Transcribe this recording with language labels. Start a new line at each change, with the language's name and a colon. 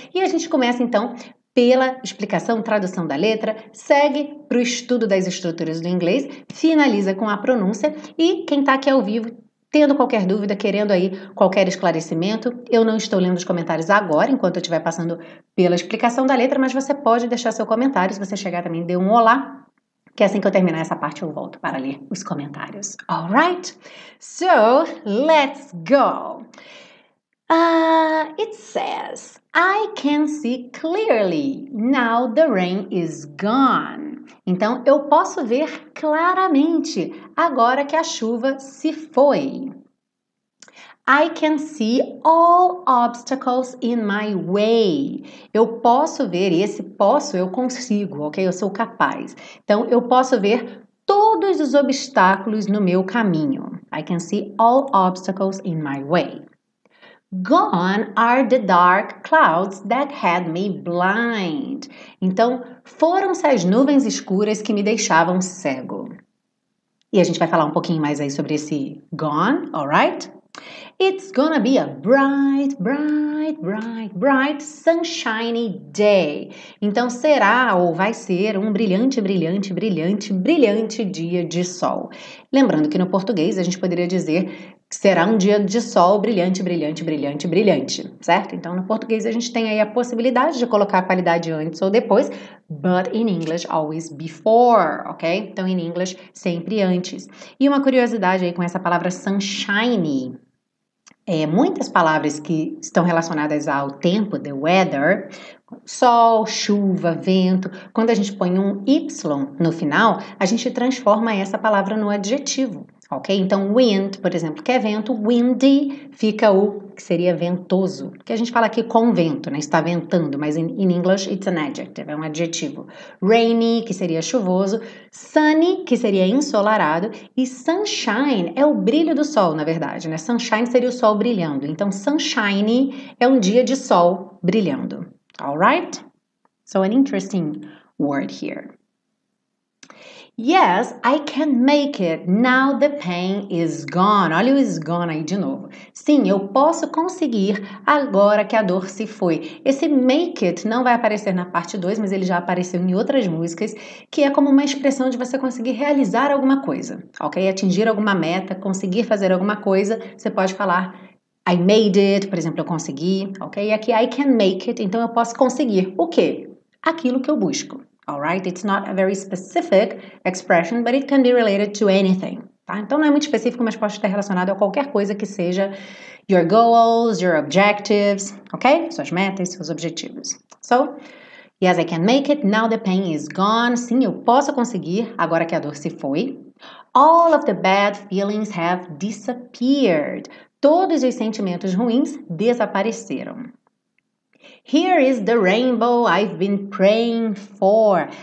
Portuguese: E a gente começa, então, pela explicação, tradução da letra, segue para o estudo das estruturas do inglês, finaliza com a pronúncia e quem está aqui ao vivo, tendo qualquer dúvida, querendo aí qualquer esclarecimento, eu não estou lendo os comentários agora, enquanto eu estiver passando pela explicação da letra, mas você pode deixar seu comentário, se você chegar também, dê um olá, que assim que eu terminar essa parte, eu volto para ler os comentários.
English: All right? So, let's go. It says, I can see clearly. Now the rain is gone.
Portuguese: Então, eu posso ver claramente agora que a chuva se foi.
English: I can see all obstacles in my way.
Portuguese: Eu posso ver, esse posso, eu consigo, ok? Eu sou capaz. Então, eu posso ver todos os obstáculos no meu caminho.
English: I can see all obstacles in my way. Gone are the dark clouds that had me blind.
Portuguese: Então, foram-se as nuvens escuras que me deixavam cego. E a gente vai falar um pouquinho mais aí sobre esse gone, alright?
English: It's gonna be a bright, bright, bright, bright, sunshiny day.
Portuguese: Então será ou vai ser um brilhante, brilhante, brilhante, brilhante dia de sol. Lembrando que no português a gente poderia dizer que será um dia de sol brilhante, brilhante, brilhante, brilhante, certo? Então no português a gente tem aí a possibilidade de colocar a qualidade antes ou depois,
English: but in English always before,
Portuguese: ok? Então
English: in English
Portuguese: sempre antes. E uma curiosidade aí com essa palavra sunshiny. Muitas palavras que estão relacionadas ao tempo,
English: the weather,
Portuguese: sol, chuva, vento, quando a gente põe um Y no final, a gente transforma essa palavra no adjetivo, ok? Então, wind, por exemplo, que é vento, windy, fica o que seria ventoso, que a gente fala aqui com vento, né? Está ventando, mas
English: in English it's an adjective,
Portuguese: é um adjetivo. Rainy, que seria chuvoso, sunny, que seria ensolarado, e sunshine é o brilho do sol, na verdade, né? Sunshine seria o sol brilhando, então sunshine é um dia de sol brilhando.
English: Alright? So an interesting word here. Yes, I can make it. Now the pain is gone.
Portuguese: Olha o is gone aí de novo. Sim, eu posso conseguir agora que a dor se foi. Esse make it não vai aparecer na parte 2, mas ele já apareceu em outras músicas, que é como uma expressão de você conseguir realizar alguma coisa, ok? Atingir alguma meta, conseguir fazer alguma coisa, você pode falar
English: I made it,
Portuguese: por exemplo, eu consegui, ok? E aqui,
English: I can make it,
Portuguese: então eu posso conseguir o quê? Aquilo que eu busco, alright?
English: It's not a very specific expression, but it can be related to anything, tá?
Portuguese: Então não é muito específico, mas pode estar relacionado a qualquer coisa que seja
English: your goals, your objectives,
Portuguese: ok? Suas metas, seus objetivos.
English: So, yes, I can make it, now the pain is gone.
Portuguese: Sim, eu posso conseguir, agora que a dor se foi.
English: All of the bad feelings have disappeared.
Portuguese: Todos os sentimentos ruins desapareceram.
English: Here is the rainbow I've been praying for.